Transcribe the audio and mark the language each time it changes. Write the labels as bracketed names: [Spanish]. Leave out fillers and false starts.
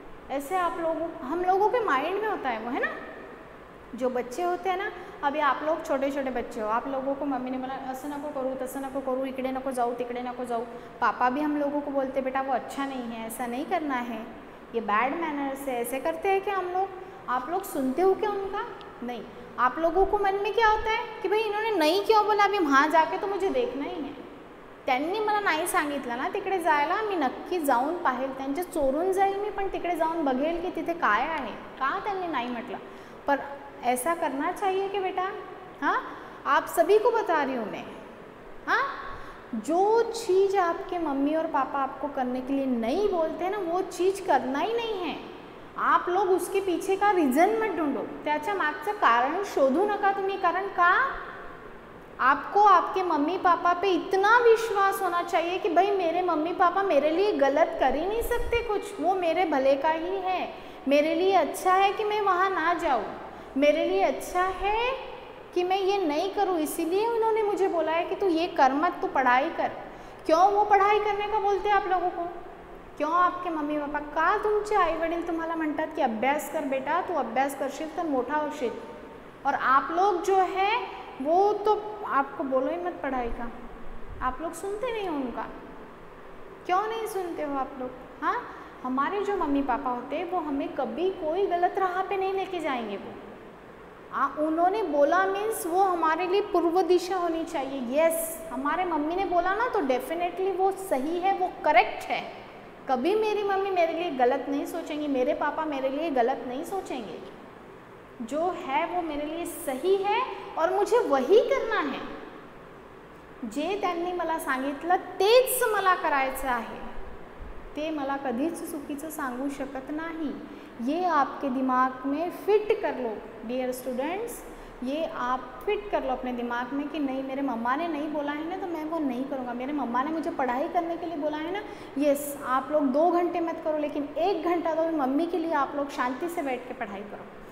[Hindi] ऐसे आप लोगों, हम लोगों के माइंड में होता है वो, है ना? जो बच्चे होते हैं ना, अभी आप लोग छोटे छोटे बच्चे हो, आप लोगों को मम्मी ने बोला ऐसा ना को करूँ, तैसा ना को करूँ, इकड़े ना को जाऊँ, तिकड़े ना को जाऊँ. पापा भी हम लोगों को बोलते बेटा वो अच्छा नहीं है, ऐसा नहीं करना है, ये बैड मैनर्स है. ऐसे करते हैं क्या हम लोग? आप लोग सुनते हो क्या उनका? नहीं. आप लोगों को मन में क्या होता है कि भाई इन्होंने नहीं क्यों बोला, अभी वहाँ जाके तो मुझे देखना ही है. [Marathi] त्यांनी मला नाही सांगितलं ना तिकडे जायला, मी नक्की जाऊन पाहेल, त्यांचे चोरून जाईल मी, पण तिकडे जाऊन बघेल की तिथे काय आहे, का त्यांनी नाही म्हटलं. [Hindi] पर ऐसा करना चाहिए कि बेटा, हाँ, आप सभी को बता रही हूँ मैं, हाँ, जो चीज़ आपके मम्मी और पापा आपको करने के लिए नहीं बोलते ना, वो चीज़ करना ही नहीं है. आप लोग उसके पीछे का रीज़न मत ढूंढो, [Marathi] त्याच्या मागचं कारण शोधू नका तुम्ही. कारण का? [Hindi] आपको आपके मम्मी पापा पे इतना विश्वास होना चाहिए कि भाई मेरे मम्मी पापा मेरे लिए गलत कर ही नहीं सकते कुछ, वो मेरे भले का ही है. मेरे लिए अच्छा है कि मैं वहाँ ना जाऊँ, मेरे लिए अच्छा है कि मैं ये नहीं करूँ, इसीलिए उन्होंने मुझे बोला है कि तू ये कर मत, तू पढ़ाई कर. क्यों वो पढ़ाई करने का बोलते हैं आप लोगों को? क्यों आपके मम्मी पापा का [Marathi] तुमचे आई वडील तुम्हाला म्हणतात कि अभ्यास कर बेटा, तू अभ्यास करशील तर मोठा होशील. [Hindi] और आप लोग जो है वो तो आपको बोलो ही मत पढ़ाई का, आप लोग सुनते नहीं हो उनका. क्यों नहीं सुनते हो आप लोग? हाँ, हमारे जो मम्मी पापा होते हैं वो हमें कभी कोई गलत राह पे नहीं लेके जाएंगे. वो उन्होंने बोला मीन्स वो हमारे लिए पूर्व दिशा होनी चाहिए. यस, हमारे मम्मी ने बोला ना तो डेफिनेटली वो सही है, वो करेक्ट है. कभी मेरी मम्मी मेरे लिए गलत नहीं सोचेंगी, मेरे पापा मेरे लिए गलत नहीं सोचेंगे. जो है वो मेरे लिए सही है और मुझे वही करना है. [Marathi] जे त्यांनी मला सांगितलं तेच मला करायचं आहे. ते मला कधीच चुकीचं सांगू शकत नाही. [Hindi] ये आपके दिमाग में फिट कर लो डियर स्टूडेंट्स, ये आप फिट कर लो अपने दिमाग में कि नहीं, मेरे मम्मा ने नहीं बोला है ना तो मैं वो नहीं करूँगा. मेरे मम्मा ने मुझे पढ़ाई करने के लिए बोला है ना, यस, आप लोग दो घंटे मत करो लेकिन एक घंटा तो मम्मी के लिए आप लोग शांति से बैठ के पढ़ाई करो.